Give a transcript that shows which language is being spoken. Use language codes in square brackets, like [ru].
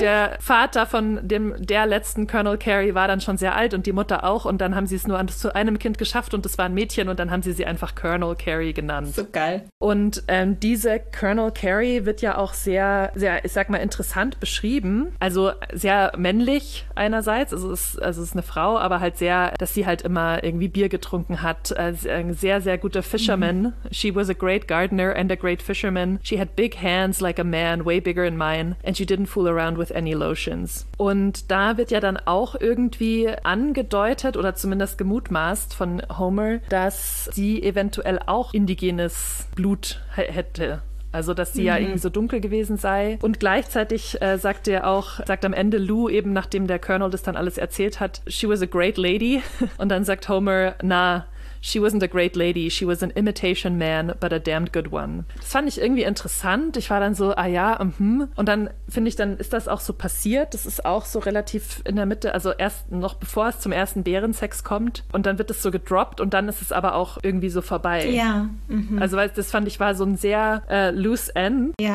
[de] Der Vater von der letzten Colonel Carey war dann schon sehr alt und die Mutter auch und dann haben sie es nur zu einem Kind geschafft und es war ein Mädchen und dann haben sie einfach Colonel Carey genannt. So geil. Und diese Colonel Carey wird ja auch sehr, sehr, ich sag mal, interessant beschrieben. Also sehr männlich einerseits, also es ist eine Frau, aber halt sehr, dass sie halt immer irgendwie Bier getrunken hat. Ein sehr, sehr guter Fisherman. [en] Mhm. She was a great gardener and a great fisherman. She had big hands like a man and way bigger in mine, and you didn't fool around with any lotions. [de] Und da wird ja dann auch irgendwie angedeutet oder zumindest gemutmaßt von Homer, dass sie eventuell auch indigenes Blut hätte. Also, dass sie ja irgendwie so dunkel gewesen sei. Und gleichzeitig sagt am Ende Lou eben, nachdem der Colonel das dann alles erzählt hat, [en] she was a great lady. [de] Und dann sagt Homer, [en] she wasn't a great lady, she was an imitation man, but a damned good one. [de] Das fand ich irgendwie interessant. Ich war dann so, Und dann finde ich, dann ist das auch so passiert. Das ist auch so relativ in der Mitte, also erst noch bevor es zum ersten Bärensex kommt. Und dann wird es so gedroppt und dann ist es aber auch irgendwie so vorbei. Ja. Also weil das fand ich, war so ein sehr loose end,